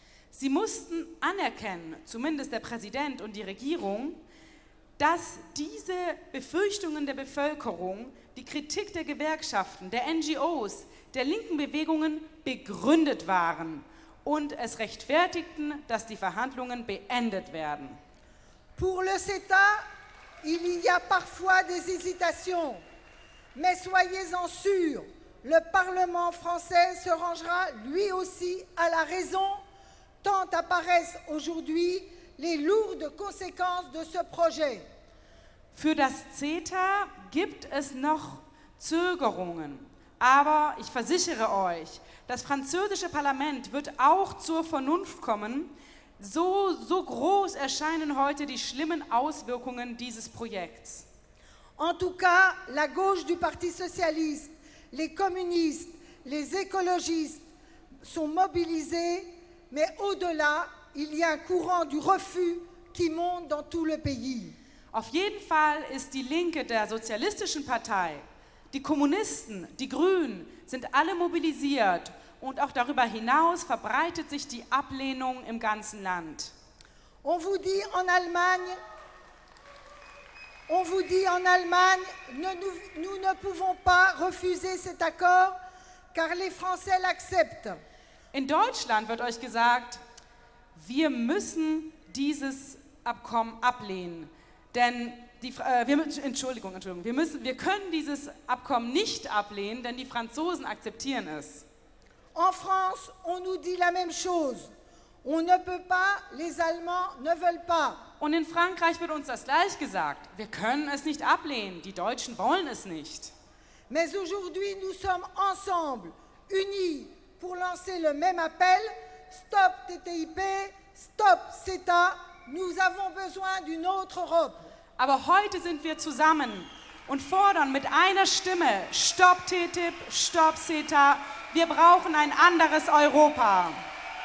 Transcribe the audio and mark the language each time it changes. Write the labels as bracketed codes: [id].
[de] Sie mussten anerkennen, zumindest der Präsident und die Regierung, dass diese Befürchtungen der Bevölkerung, die Kritik der Gewerkschaften, der NGOs, der linken Bewegungen begründet waren und es rechtfertigten, dass die Verhandlungen beendet werden. [fr] Pour le CETA, il y a parfois des hésitations, mais soyez-en sûr, le Parlement français se rangera lui aussi à la raison, tant apparaissent aujourd'hui les lourdes conséquences de ce projet. [de] Für das CETA gibt es noch Zögerungen, aber ich versichere euch, das französische Parlament wird auch zur Vernunft kommen, So groß erscheinen heute die schlimmen Auswirkungen dieses Projekts. [fr] En tout cas, la gauche du Parti socialiste, les communistes, les écologistes sont mobilisés, mais au-delà, il y a un courant du refus qui monte dans tout le pays. [de] Auf jeden Fall ist die Linke der sozialistischen Partei, die Kommunisten, die Grünen sind alle mobilisiert und auch darüber hinaus verbreitet sich die Ablehnung im ganzen Land. [fr] On vous dit en Allemagne, nous ne pouvons pas refuser cet accord, car les Français l'acceptent. [de] In Deutschland wird euch gesagt, wir müssen dieses Abkommen ablehnen. Wir können dieses Abkommen nicht ablehnen, denn die Franzosen akzeptieren es. [fr] En France, on nous dit la même chose. On ne peut pas, les Allemands ne veulent pas. [de] Und in Frankreich wird uns das gleich gesagt. Wir können es nicht ablehnen. Die Deutschen wollen es nicht. [fr] Mais aujourd'hui, nous sommes ensemble, unis, pour lancer le même appel. Stop TTIP, stop CETA. Nous avons besoin d'une autre Europe. [de] Aber heute sind wir zusammen und fordern mit einer Stimme Stopp TTIP, Stopp CETA, wir brauchen ein anderes Europa.